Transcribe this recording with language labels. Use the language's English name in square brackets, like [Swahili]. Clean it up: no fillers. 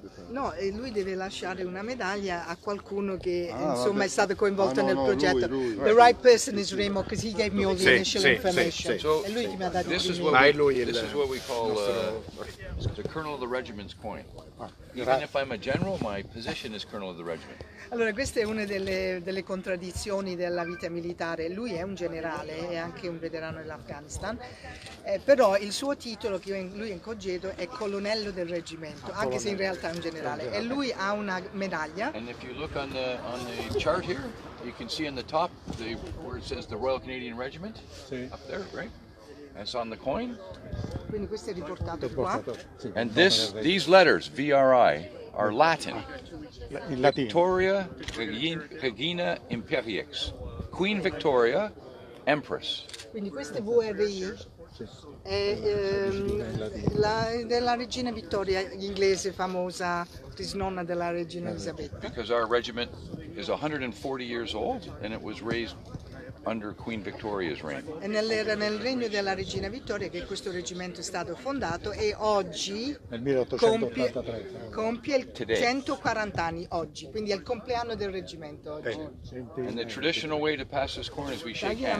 [Italian] No, e lui deve lasciare una medaglia a qualcuno che insomma è stato coinvolto nel progetto. Lui. [English] The right person is Remo, because he gave me all the initial information. So, [Italian] e lui che mi ha dato [English] this is what we call the colonel of the regiment's coin. Even if I'm a general, my position is colonel of the regiment. [Italian] Allora, questa è una delle contraddizioni della vita militare. Lui è un generale e anche un veterano dell'Afghanistan, però il suo titolo, che lui è in congedo, è colonnello del reggimento, anche se in realtà è un generale. E lui ha una medaglia. [English] And if you look on the chart here, you can see in the top the, where it says the Royal Canadian Regiment, up there, right? That's on the coin. [Italian] Quindi questo è riportato qua. [English] And these letters, VRI, are Latin. Victoria Regina Imperiex, Queen Victoria, Empress. [Italian] Quindi queste VRI è della regina Vittoria inglese famosa, nonna della regina Elisabetta. [English] Because our regiment is 140 years old and it was raised under Queen Victoria's reign. [Italian] E era nel regno della regina Vittoria che questo reggimento è stato fondato, e oggi nel 1883 compie il 140 anni oggi, quindi è il compleanno del reggimento oggi. [English] And the traditional way to pass this coin is we shake hands.